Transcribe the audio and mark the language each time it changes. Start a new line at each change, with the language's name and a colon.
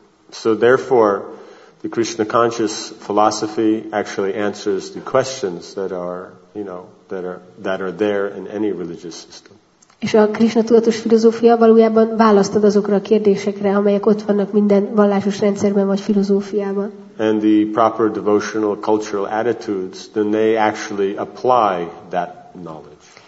English: So therefore, the Krishna conscious philosophy actually answers the questions that are there in any religious system.
Hungarian: És a Krishna tudatos filozófia valójában választ ad azokra a kérdésekre, amelyek ott vannak minden vallásos rendszerben vagy filozófiában.
English: And the proper devotional cultural attitudes, then they actually apply that knowledge.